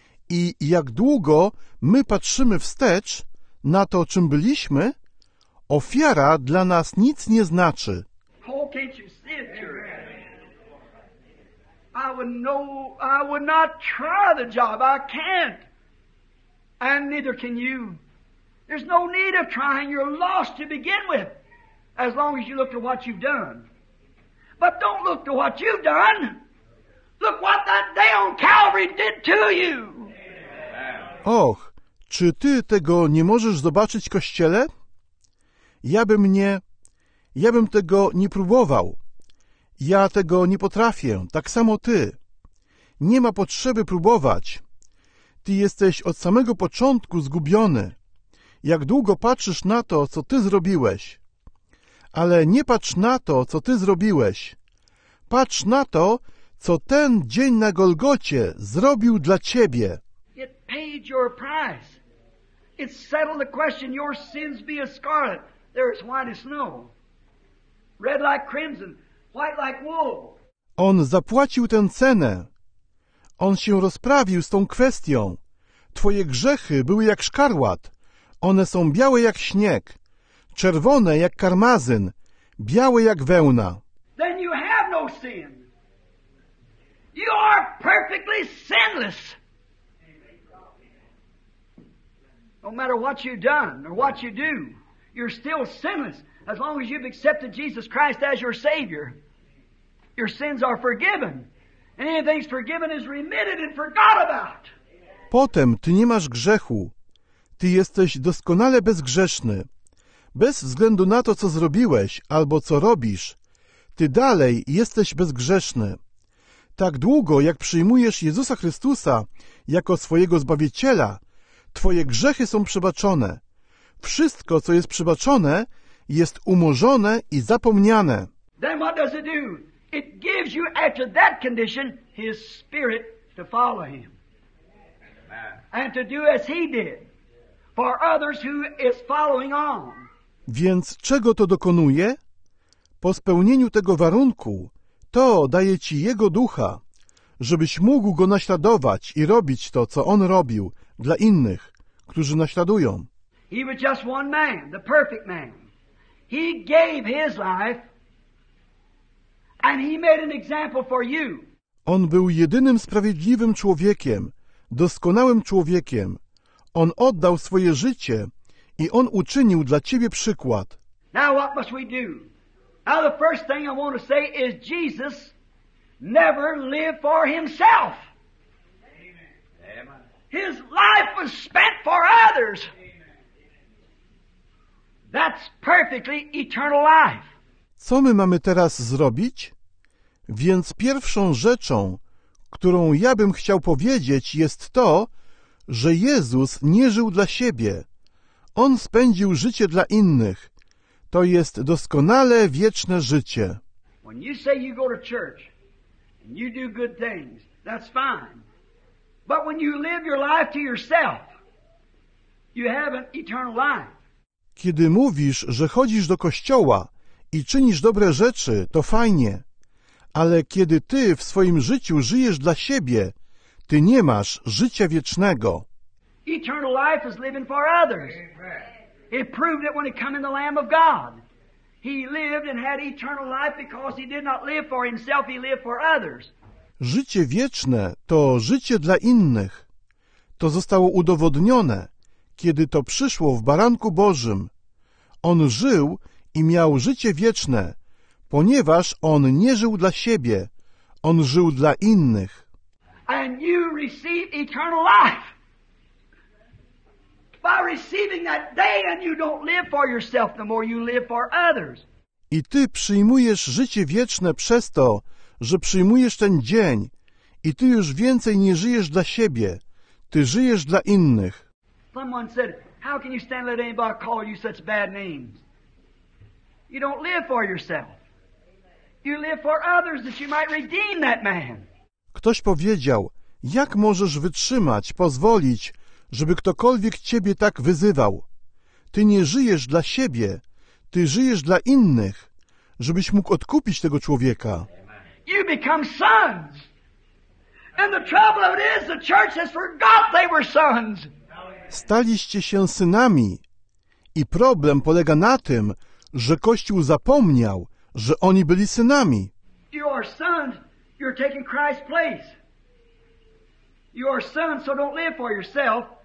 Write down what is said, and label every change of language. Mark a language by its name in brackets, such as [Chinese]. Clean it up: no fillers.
[Polish] I jak długo my patrzymy wstecz na to, czym byliśmy, ofiara dla nas nic nie znaczy. [English] Paul, can't you see it, Jerry? I would not try the job. I can't. And neither can you. There's no need of trying. You're lost to begin with. As long as you look to what you've done. But don't look to what you've done. Look what that day on Calvary did to you. [Polish] Och, czy ty tego nie możesz zobaczyć, Kościele? Ja bym tego nie próbował. Ja tego nie potrafię, tak samo ty. Nie ma potrzeby próbować. Ty jesteś od samego początku zgubiony. Jak długo patrzysz na to, co ty zrobiłeś? Ale nie patrz na to, co ty zrobiłeś. Patrz na to, co ten dzień na Golgocie zrobił dla ciebie. [English] It paid your price. It settled the question, your sins be as scarlet. They're as white as snow. Red like crimson, white like wool. [Polish] On zapłacił tę cenę. On się rozprawił z tą kwestią. Twoje grzechy były jak szkarłat. One są białe jak śnieg. Czerwone jak karmazyn, białe jak wełna. [English] Then you have no sin. You are perfectly sinless. No matter what you've done or what you do, you're still sinless. As long as you've accepted Jesus Christ as your Savior, your sins are forgiven. And anything's forgiven is remitted and forgot about. [Polish] Potem ty nie masz grzechu. Ty jesteś doskonale bezgrzeszny. Bez względu na to, co zrobiłeś albo co robisz, ty dalej jesteś bezgrzeszny. Tak długo, jak przyjmujesz Jezusa Chrystusa jako swojego Zbawiciela, twoje grzechy są przebaczone. Wszystko, co jest przebaczone, jest umorzone i zapomniane. [English] Then what does it do? It gives you, after that condition, His Spirit to follow Him. And to do as He did for others who is following on. [Polish] Więc czego to dokonuje? Po spełnieniu tego warunku, to daje ci Jego Ducha, żebyś mógł Go naśladować i robić to, co On robił dla innych, którzy naśladują. [English] He was just one man, the perfect man. He gave His life and He made an example for you. [Polish] On był jedynym sprawiedliwym człowiekiem, doskonałym człowiekiem. On oddał swoje życie i On uczynił dla ciebie przykład. [English] Now what must we do? Now the first thing I want to say is Jesus never lived for Himself. Amen. His life was spent for others. Amen. That's perfectly eternal life. [Polish] Co my mamy teraz zrobić? Więc pierwszą rzeczą, którą ja bym chciał powiedzieć, jest to, że Jezus nie żył dla siebie. On spędził życie dla innych. To jest doskonale wieczne życie. [English] When you say you go to church and you do good things, that's fine. But when you live your life to yourself, you have an eternal life. [Polish] Kiedy mówisz, że chodzisz do kościoła i czynisz dobre rzeczy, to fajnie. Ale kiedy ty w swoim życiu żyjesz dla siebie, ty nie masz życia wiecznego. [English] Eternal life is living for others. It proved it when He came in the Lamb of God. He lived and had eternal life because He did not live for Himself, He lived for others. [Polish] Życie wieczne to życie dla innych. To zostało udowodnione, kiedy to przyszło w Baranku Bożym. On żył i miał życie wieczne, ponieważ On nie żył dla siebie. On żył dla innych. [English] And you receive eternal life. By receiving that day, and you don't live for yourself no more, you live for others. [Polish] I ty przyjmujesz życie wieczne przez to, że przyjmujesz ten dzień, i ty już więcej nie żyjesz dla siebie, ty żyjesz dla innych. [English] Someone said, how can you stand let anybody call you such bad names? You don't live for yourself. You live for others that you might redeem that man. [Polish] Ktoś powiedział, jak możesz wytrzymać, pozwolić, żeby ktokolwiek ciebie tak wyzywał. Ty nie żyjesz dla siebie, ty żyjesz dla innych, żebyś mógł odkupić tego człowieka. [English] You become sons. And the trouble of it is the church has forgot they were sons. [Polish] Staliście się synami. I problem polega na tym, że Kościół zapomniał, że oni byli synami. [English] You are sons, you're taking Christ's place. You are sons, so don't live for yourself.